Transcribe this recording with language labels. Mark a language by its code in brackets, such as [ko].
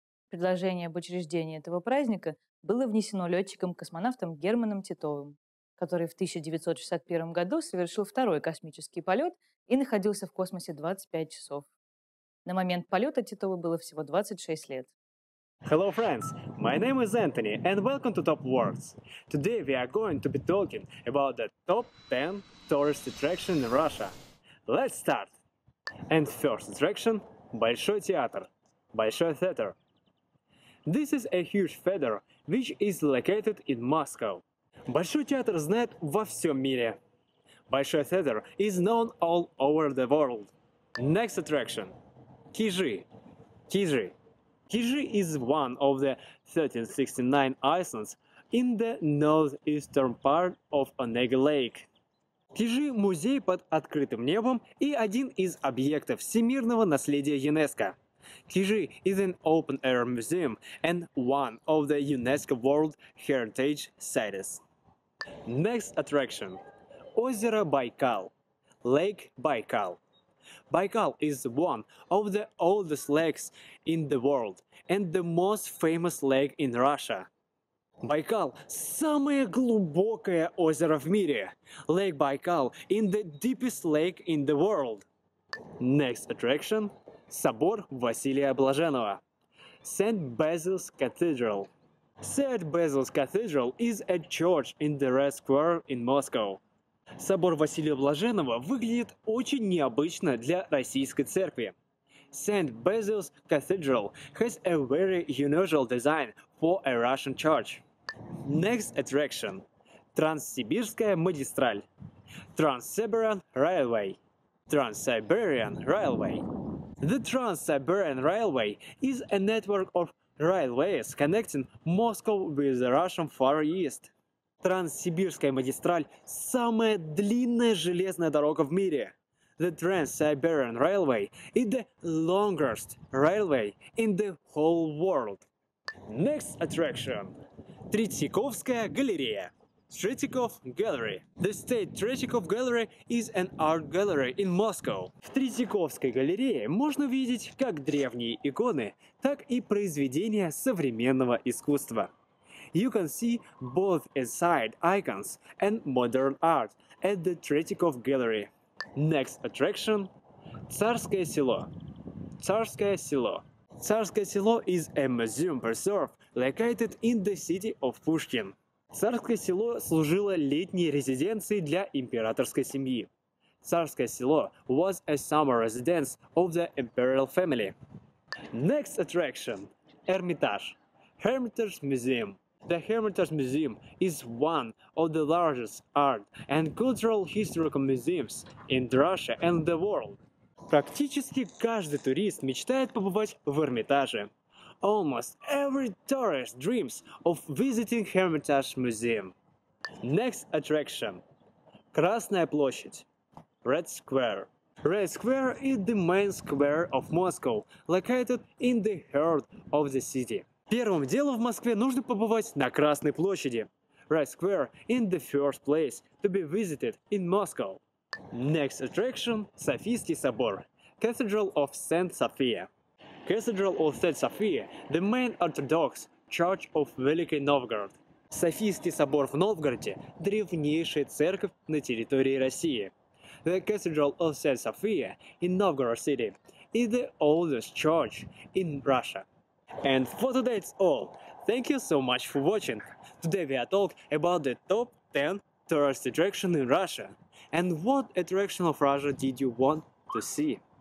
[ru] Предложение об учреждении этого праздника было внесено летчиком-космонавтом Германом Титовым, который в 1961 году совершил второй космический полет и находился в космосе 25 часов. На момент полета Титову было всего 26 лет. [en] Hello, friends! My name is Anthony, and welcome to Top Words. Today we are going to be talking about the top 10 tourist attractions in Russia. Let's start! And first attraction – Большой театр. Большой театр. This is a huge theater, which is located in Moscow. [ru] Большой театр знает во всем мире. [en] Большой театр is known all over the world. Next attraction. Кижи. Кижи. Кижи is one of the 1369 islands in the northeastern part of Onega Lake. [ru] Кижи – музей под открытым небом и один из объектов всемирного наследия ЮНЕСКО. [en] Кижи is an open-air museum and one of the UNESCO World Heritage Sites. Next attraction. Озеро Байкал. Lake Baikal. Baikal is one of the oldest lakes in the world and the most famous lake in Russia. [ru] Baikal – самое глубокое озеро в мире. [en] Lake Baikal is the deepest lake in the world. Next attraction. [ru] Собор Василия Блаженного. [en] St. Basil's Cathedral. St. Basil's Cathedral is a church in the Red Square in Moscow. Собор Василия Блаженного выглядит очень необычно для российской церкви. St. Basil's Cathedral has a very unusual design for a Russian church. Next attraction. [ru] Транссибирская магистраль. [en] Trans-Siberian Railway. Trans-Siberian Railway. The Trans-Siberian Railway is a network of railways connecting Moscow with the Russian Far East. [ru] Транссибирская магистраль – самая длинная железная дорога в мире. [en] The Trans-Siberian Railway is the longest railway in the whole world. Next attraction – Третьяковская галерея. Третьяков Gallery. The State Третьяков Gallery is an art gallery in Moscow. [ru] В Третьяковской галерее можно видеть как древние иконы, так и произведения современного искусства. [en] You can see both inside icons and modern art at the Третьяков Gallery. Next attraction – Царское село. Царское село. Царское село is a museum preserve located in the city of Pushkin. [ru] Царское село служило летней резиденцией для императорской семьи. [en] Царское село was a summer residence of the imperial family. Next attraction – Эрмитаж. Hermitage Museum. The Hermitage Museum is one of the largest art and cultural historical museums in Russia and the world. [ru] Практически каждый турист мечтает побывать в Эрмитаже. [en] Almost every tourist dreams of visiting Hermitage Museum. Next attraction. Красная площадь. Red Square. Red Square is the main square of Moscow, located in the heart of the city. [ru] Первым делом в Москве нужно побывать на Красной площади. [en] Red Square is the first place to be visited in Moscow. Next attraction – Софийский собор, Cathedral of St. Sophia. Cathedral of St. Sophia – the main Orthodox Church of Великий Новгород. [ru] Софийский собор в Новгороде – древнейшая церковь на территории России. [en] The Cathedral of St. Sophia in Novgorod City is the oldest church in Russia. And for today it's all. Thank you so much for watching. Today we are talking about the top 10 tourist attractions in Russia. And what attraction of Russia did you want to see?